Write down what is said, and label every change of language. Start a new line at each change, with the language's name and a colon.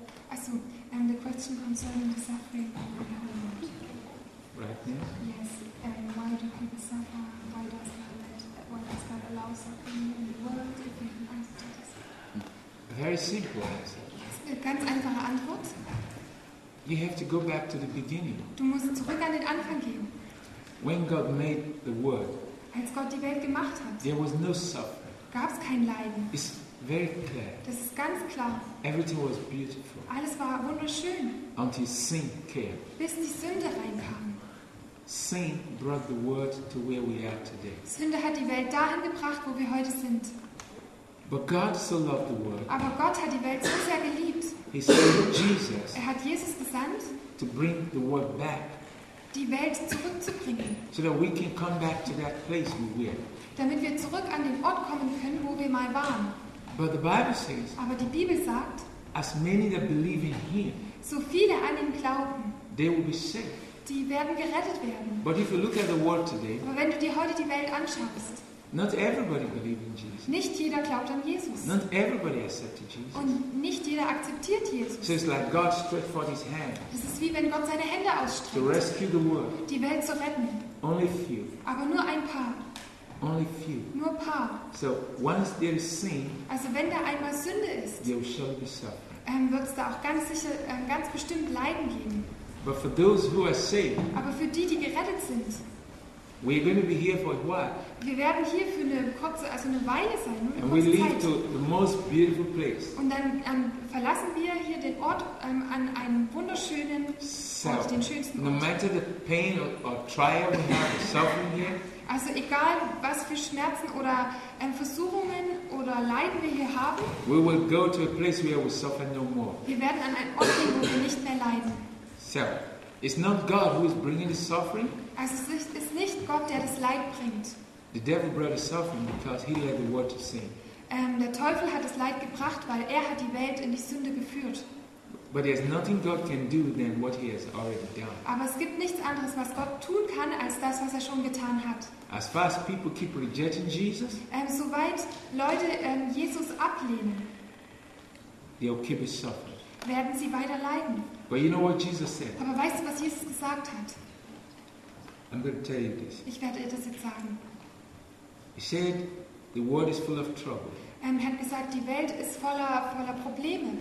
English: Also, the question concerning the suffering of the world. Right, yes? Yes. Why do people suffer? Why does God allow suffering in the world? If you can answer to this. Very simple answer.
German: Ganz einfache Antwort.
English: You have to go back to the beginning.
German: Du musst zurück an den Anfang gehen.
English: When God made the world,
German: als Gott die Welt gemacht hat,
English: there was no suffering.
German: Gab es kein Leiden.
English: It's very clear.
German: Das ist ganz klar.
English: Everything was beautiful.
German: Alles war wunderschön.
English: Until sin came.
German: Bis die Sünde reinkam.
English: Sin brought the world to where we are today.
German: Sünde hat die Welt dahin gebracht, wo wir heute sind.
English: But God so loved the world.
German: Aber Gott hat die Welt so sehr geliebt.
English: He sent Jesus.
German: Er hat Jesus gesandt.
English: To bring the world back.
German: Die Welt zurückzubringen.
English: So that we can come back to that place we were.
German: Damit wir zurück an den Ort kommen können, wo wir mal waren.
English: But the Bible says.
German: Aber die Bibel sagt.
English: As many that believe in Him.
German: So viele an ihn glauben.
English: They will be saved.
German: Die werden gerettet werden.
English: But if you look at the world today.
German: Aber wenn du dir heute die Welt anschaust.
English: Not everybody believes in Jesus.
German: Nicht jeder glaubt an Jesus.
English: Not everybody accepted Jesus.
German: Und nicht jeder akzeptiert Jesus.
English: So it's like God stretched forth His hand.
German: Es ist wie wenn Gott seine Hände ausstreckt.
English: To rescue the world.
German: Die Welt zu retten.
English: Only few.
German: Aber nur ein paar.
English: Only few.
German: Nur ein paar.
English: So once there is sin.
German: Also wenn da einmal Sünde ist.
English: There will surely be suffering.
German: Wird es da auch ganz sicher, ganz bestimmt Leiden geben.
English: But for those who are saved.
German: Aber für die, die gerettet sind.
English: We're going to be here for a while.
German: Wir werden hier für eine kurze, also eine Weile sein. Eine
English: And we leave to the most beautiful place.
German: Und dann verlassen wir hier den Ort an einen wunderschönen, Ort, den schönsten Ort.
English: No matter the pain or trial we have, suffering here.
German: Also egal, was für Schmerzen oder Versuchungen oder Leiden wir hier haben.
English: We will go to a place where we suffer no more.
German: Wir werden an einen Ort gehen, wo wir nicht mehr leiden.
English: So, it's not God who is bringing the suffering.
German: Also es ist nicht Gott, der das Leid bringt.
English: The devil brought the suffering because he led the world to sin.
German: Der Teufel hat das Leid gebracht, weil hat die Welt in die Sünde geführt.
English: But there's nothing God can do than what he has already done.
German: Aber es gibt nichts anderes, was Gott tun kann, als das, was schon getan hat.
English: As far as people keep rejecting Jesus,
German: soweit Leute Jesus ablehnen,
English: they'll keep his suffering.
German: Werden sie weiter leiden.
English: But you know what Jesus said?
German: Aber weißt du, was Jesus gesagt hat?
English: I'm going to tell you this.
German: Ich werde dir das jetzt sagen.
English: He said, the world is full of trouble.
German: Hat gesagt, die Welt ist voller Probleme.